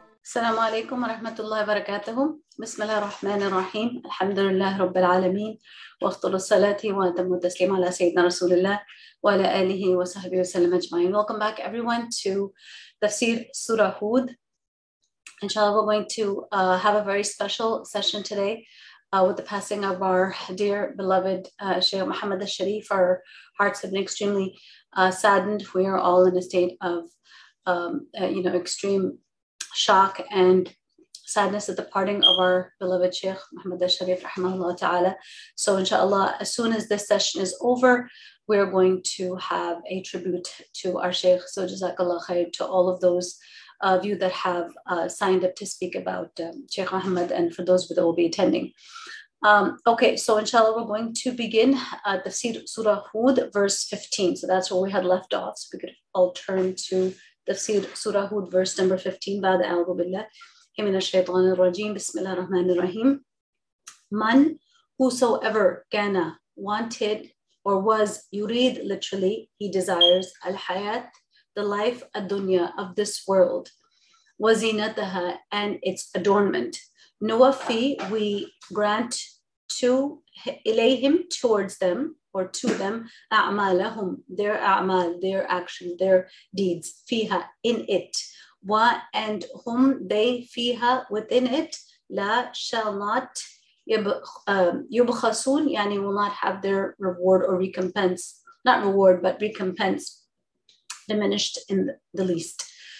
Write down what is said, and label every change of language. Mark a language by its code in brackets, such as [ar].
[ar] السلام عليكم ورحمة الله وبركاته. بسم الله الرحمن الرحيم. الحمد لله رب العالمين، وأفضل الصلاة وأتم التسليم على سيدنا رسول الله وعلى آله وصحبه وسلم أجمعين. [en] Welcome back everyone to Tafsir Surah Hud. Inshallah, we're going to have a very special session today with the passing of our dear beloved Shaykh Muhammad al-Sharif. Our hearts have been extremely saddened. We are all in a state of extreme shock and sadness at the parting of our beloved Sheikh Muhammad al-Sharif rahimahullah ta'ala. So inshallah, as soon as this session is over, we are going to have a tribute to our Sheikh. So jazakallah khair to all of those of you that have signed up to speak about Sheikh Muhammad, and for those that will be attending. Okay, so inshallah, we're going to begin at the Surah Hud, verse 15. So that's where we had left off. So we could all turn to Tafsir Surah Hud, verse number 15. [ar] بعد أعوذ بالله من الشيطان الرجيم بسم الله الرحمن الرحيم. [en] من, whosoever, كان, wanted, or was, يريد, literally, he desires, الحيات, the life, الدنيا, of this world, وزينتها, and its adornment, نوفي, we grant to, إليهم, towards them, or to them, أعمالهم, their أعمال, their action, their deeds, فيها, in it, wa, and whom they, فيها, within it, لا, shall not, يبخسون, يعني will not have their reward or recompense, not reward, but recompense, diminished in the least.